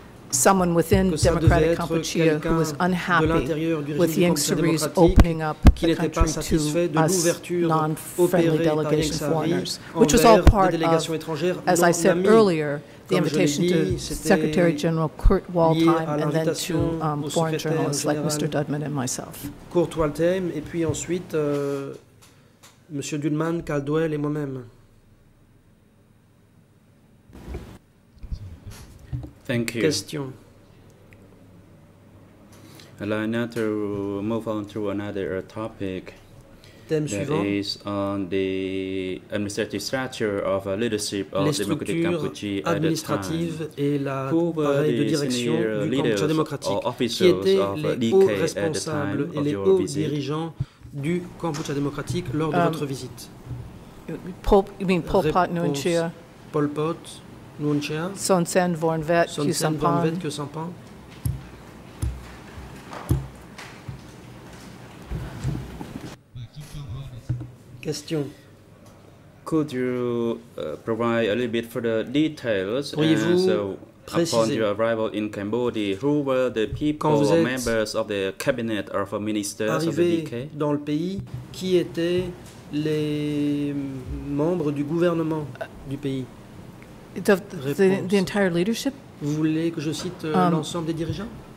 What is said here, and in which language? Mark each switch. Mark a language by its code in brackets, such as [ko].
[en] someone within Democratic Kampuchea who was unhappy with Yingsari's opening up the country to us non-friendly delegation foreigners, which was all part of, as I said earlier, the invitation to Secretary General Kurt Waldheim and then to foreign journalists like Mr. Dudman and myself. [fr] Kurt Waldheim, et puis ensuite Monsieur Dudman, Caldwell et moi-même. [en] Thank you. [fr] Question. [en] Allow me to move on to another topic. [fr] Thème [en] that [fr] suivant. [en] Is on the administrative structure of a leadership of Democratic Kampuchea at the time. [fr] Et la [en] who were the senior leaders or officials of DK at the time of [fr] les [en] your [fr] hauts dirigeants du Kampuchea démocratique lors de votre visite? [en] You mean Pol Pot, Nunchia? Pol Pot. Son Sen, Vorn Vet, Kyu Sampan. [fr] Question. [en] Could you provide a little bit further details? [fr] Pourriez-vous préciser? [en] Upon your arrival in Cambodia, who were the people or members of the cabinet or for ministers of the DK? [fr] Dans le pays, qui étaient les membres du gouvernement du pays? [en] The entire leadership? [fr] Vous voulez que je cite l'ensemble des dirigeants?